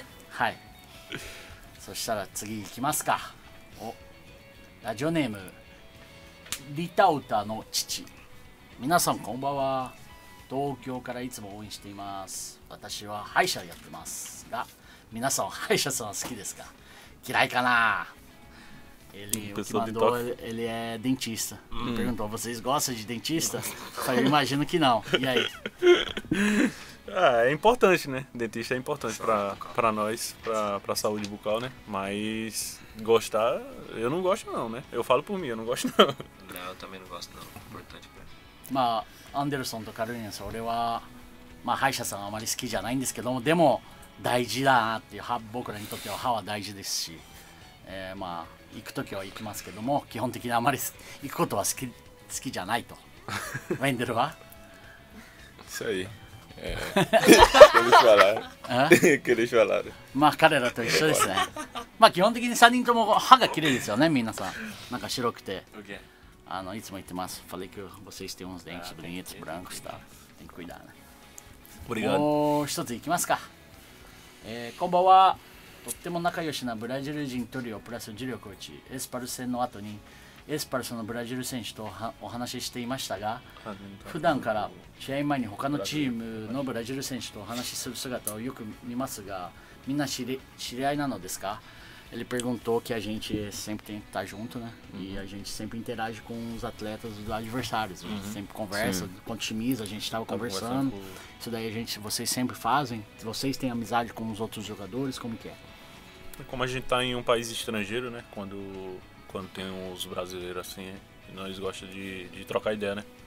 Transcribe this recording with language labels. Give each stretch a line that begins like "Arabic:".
Japanese: はい、そしたら次行きますか。お、ラジオネームリタウタの父。皆さんこんばんは。東京からいつも応援しています。私は歯医者やってますが、皆さん歯医者さんは好きですか、嫌いかな。
Portuguese: Ele mandou, ele é dentista. Perguntou, vocês gostam de dentista? Eu imagino que não. E aí? É importante, né? Dentista é importante pra nós, pra saúde bucal, né? Mas gostar, eu não gosto não, né? Eu falo por mim, eu não gosto não. Não, eu também não gosto não. Importante pra mim.
Japanese: Mas, Anderson とカルニアさん、俺は、まあ、歯医者さんはあまり好きじゃないんですけども、でも大事だなっていう、僕らにとっては歯は大事ですし、まあ、行くときは行きますけども、基本的にあまり行くことは好きじゃないと。ウェンデルは？そういう。
Portuguese: Eles falaram. Eles falaram.
Japanese: まあ、彼らと一緒ですね。まあ、基本的に3人とも歯が綺麗ですよね、皆さん。なんか白くて。
English: Okay.
Japanese: いつも言ってます。
Portuguese: Falei que vocês têm uns dentes bonitos, brancos, tá? Tem que cuidar, né? Obrigado.
Japanese: もう一つ行きますか。こんばんは。とっても仲良しなブラジル人トリオプラスジュリオコーチ、エスパルス戦の後にエスパルスのブラジル選手とお話ししていましたが、普段から試合前に他のチームのブラジル選手とお話しする姿をよく見ますが、みんな知り合いなのですか？
Portuguese: Ele perguntou que a gente sempre tem que estar junto, né? E a gente sempre interage com os atletas dos adversários. A gente sempre conversa, com times, a gente estava conversando. Isso daí vocês sempre fazem? Vocês têm amizade com os outros jogadores? Como que é? Como a gente está em um país estrangeiro, né? Quando tem os brasileiros assim, nós gostamos de trocar ideia, né?